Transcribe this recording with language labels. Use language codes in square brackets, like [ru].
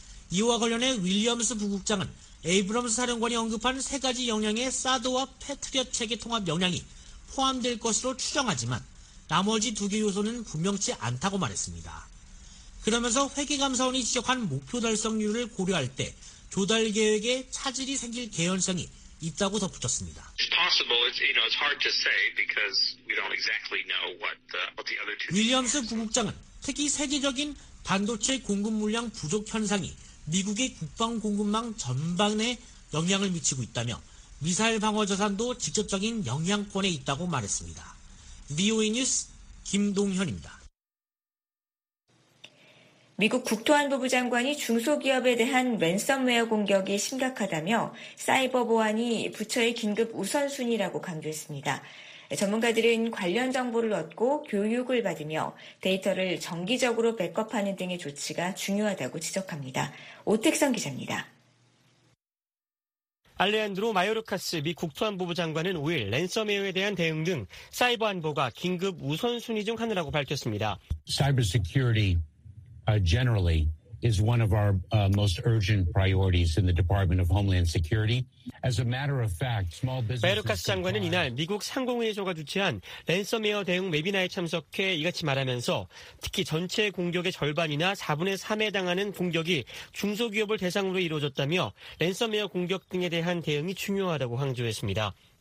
[ko] 이와 관련해 윌리엄스 부국장은 에이브럼스 사령관이 언급한 세 가지 역량의 사드와 패트리엇 체계 통합 역량이 포함될 것으로 추정하지만 나머지 두 개 요소는 분명치 않다고 말했습니다. 그러면서 회계감사원이 지적한 목표 달성률을 고려할 때 조달 계획에 차질이 생길 개연성이 있다고 덧붙였습니다. [en] It's possible. It's, you know, it's hard to say because we don't exactly know what the other two. [ko] 윌리엄스 부국장은 특히 세계적인 반도체 공급 물량 부족 현상이 미국의 국방 공급망 전반에 영향을 미치고 있다며 미사일 방어 자산도 직접적인 영향권에 있다고 말했습니다. VOA 뉴스 김동현입니다. 미국 국토안보부 장관이 중소기업에 대한 랜섬웨어 공격이 심각하다며 사이버 보안이 부처의 긴급 우선순위라고 강조했습니다. 전문가들은 관련 정보를 얻고 교육을 받으며 데이터를 정기적으로 백업하는 등의 조치가 중요하다고 지적합니다. 오택성 기자입니다. 알레한드로 마요르카스 미 국토안보부 장관은 5일 랜섬웨어에 대한 대응 등 사이버 안보가 긴급 우선순위 중 하나라고 밝혔습니다. [en] Cyber security. Generally is one of our most urgent priorities in the Department of Homeland Security. As a matter of fact, small businesses. [ko] 베르카스 장관은 이날 미국 상공회의소가 주최한 랜섬웨어 대응 웨비나에 참석해 이같이 말하면서 특히 전체 공격의 절반이나 4분의 3에 당하는 공격이 중소기업을 대상으로 이루어졌다며 랜섬웨어 공격 등에 대한 대응이 중요하다고 강조했습니다.